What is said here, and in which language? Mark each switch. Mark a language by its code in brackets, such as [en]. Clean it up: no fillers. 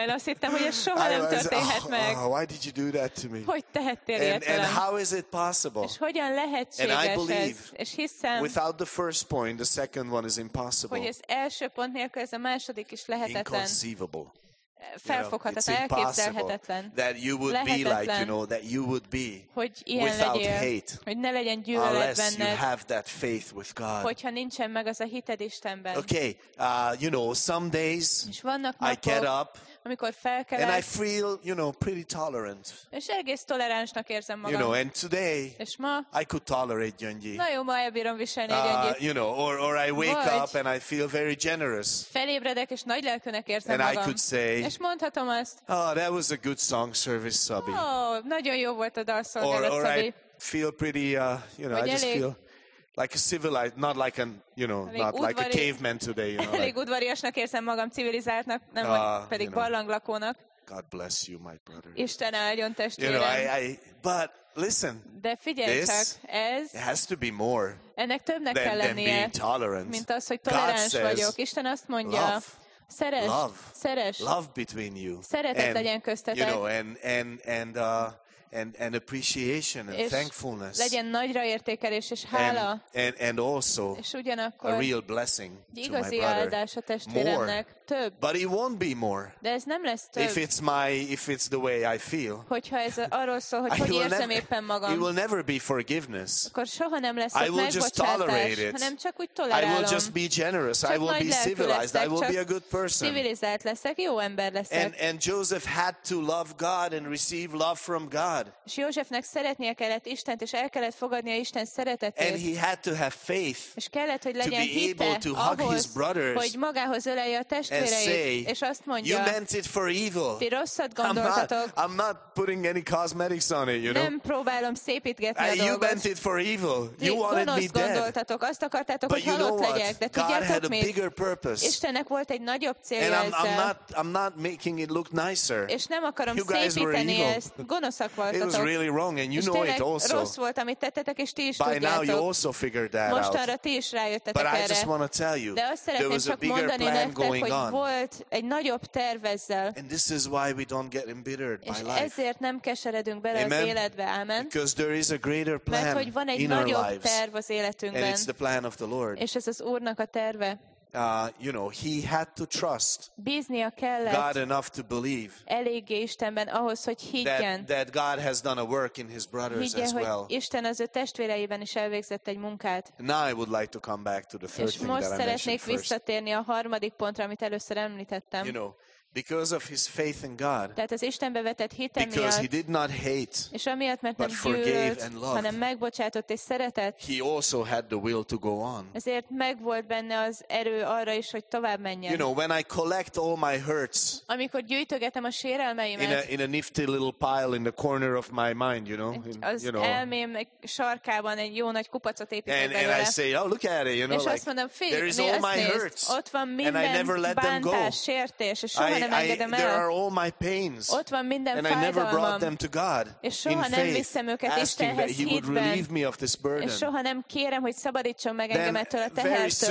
[hu] Én azt hittem, hogy ez soha nem történhet meg. [en] Why did you do that to me? [hu] Hogy tehettél ilyet [en] velem? And how is it possible? [hu] És hogyan lehetséges ez? [en] And I believe, [hu] és hiszem, [en] without the first point, the second one is impossible. [hu] Hogy ez első pont nélkül ez a második is lehetetlen. [en] Inconceivable. [hu] Felfoghatatlan, elképzelhetetlen. [en] That you would be like, you know, that you would be without hate. [hu] Hogy ne legyen gyűlölet benned. [en] Unless you have that faith with God. [hu] Hogyha nincsen meg az a hited Istenben. [en] Okay, you know, some days [hu] napok, [en] I get up. [hu] Amikor felkelek, [en] and I feel, you know, pretty tolerant. [hu] És egész toleránsnak érzem magam. [en] You know, and today, [hu] és ma, [en] I could tolerate Gyöngyi. [hu] Na jó, ma elbírom viselni Gyöngyit. [en] You know, or I wake up and I feel very generous. [hu] Felébredek és nagy lelkűnek érzem magam. [en] And I could say, [hu] és mondhatom azt. [en] Oh, that was a good song service, Szabi. [hu] Oh, nagyon jó volt a dalszolgálat, Szabi. [en] Or I feel pretty, you know, [hu] vagy [en] I just [hu] elég, [en] feel like a civilized, not like an, you know, [hu] elég [en] not [hu] udvari, [en] like a caveman today, you know. [hu] Elég udvariasnak érzem magam, civilizáltnak, nem pedig [en] you know, [hu] barlanglakónak. [en] God bless you, my brother. [hu] Isten áldjon testvérem. [en] You know, I but listen. [hu] De figyelj csak, ez [en] has to be more. [hu] Ennek többnek kell lennie, [en] being tolerant. [hu] Mint az, hogy toleráns vagyok. Isten azt mondja, [en] love, [hu] szeress, [en] love, [hu] szeress. [en] Love between you. [hu] Szeretet legyen köztetek. [en] You know, and appreciation and thankfulness. [hu] Legyen nagyra értékelés és hála. [en] And also [hu] és ugyanakkor [en] a real blessing [hu] igazi [en] to my brother. [hu] Áldás a testvéremnek. [en] More. [hu] Több. [en] But it won't be more. [hu] De ez nem lesz több. [en] If it's the way I feel. [hu] Hogyha ez arról szól, hogy hogy érzem éppen magam. [en] It will never be forgiveness. [hu] Akkor soha nem lesz [en] I will just tolerate it. [hu] Hanem csak úgy tolerálom. [en] I will just be generous. [hu] Csak [en] I will be civilized. I will be a good person. [hu] Civilizált leszek, jó ember leszek. [en] And Joseph had to love God and receive love from God. God. [hu] És Józsefnek szeretnie kellett Istent, és el kellett fogadnia Isten szeretetét. [en] And he had to have faith. [hu] És kellett, hogy legyen [en] hite able to hug [hu] ahhoz, [en] his brothers, [hu] hogy magához ölelje a testvéreit, és azt mondja, [en] you meant it for evil. [hu] Ti rosszat gondoltatok. [en] I'm not putting any cosmetics on it, you know. [hu] Nem próbálom szépítgetni a dolgot. [en] You meant it for evil. You wanted me dead. [hu] Gondoltatok, azt akartátok, hogy halott legyek, de tudjátok mit? [en] Bigger purpose. [hu] Istennek volt egy nagyobb célja. [en] And I'm not making it look nicer. [hu] És nem akarom szépíteni ezt. Gonoszak voltatok. [en] It was really wrong, and you know it also. [hu] Rossz volt, amit tettetek, és ti is [en] tudjátok. By now you also figured that out. [hu] Mostanra ti is rájöttetek erre. [en] But I just want to tell you, there was a bigger plan going on. [hu] Hogy volt egy nagyobb terv ezzel. [en] And this is why we don't get embittered by life. [hu] És ezért nem keseredünk bele az életbe. [en] Amen. Because there is a greater plan. [hu] Mert hogy van egy nagyobb terv az életünkben. [en] And it's the plan of the Lord. [hu] És ez az Úrnak a terve. [en] You know, he had to trust God enough to believe [hu] eléggé Istenben ahhoz, hogy higgyen, [en] that God has done a work in his brothers [hu] higgyen, [en] as well. [hu] Isten az ő testvéreiben is elvégzett egy munkát. [en] Now I would like to come back to the third thing [hu] most [en] that I mentioned first. [hu] Visszatérni a harmadik pontra, amit először említettem. [en] You know, because of his faith in God, [hu] tehát az Istenbe vetett hite [en] miatt, because he did not hate, [hu] és amiatt, mert [en] but [hu] nem [en] forgave [hu] gyűlt, [en] and loved, [hu] hanem megbocsátott és szeretett, [en] he also had the will to go on. [hu] Ezért megvolt benne az erő arra is, hogy tovább menjen. [en] You know, when I collect all my hurts, [hu] amikor gyűjtögetem a sérelmeimet, [en] in a nifty little pile in the corner of my mind, you know, [hu] elmém sarkában egy jó nagy kupacot építek belőle, [en] and I say, oh, look at it, you know, [hu] és [en] like, [hu] azt mondom, fi, [en] there is all my hurts, [hu] ott van minden bántás, sértés, és [en] there are all my pains, [hu] ott van minden [en] and I never brought them to God [hu] és soha [en] in faith, [hu] nem őket [en] asking that he would relieve me of this burden. [hu] És soha nem kérem, hogy szabadítson meg engem ettől a tehertől.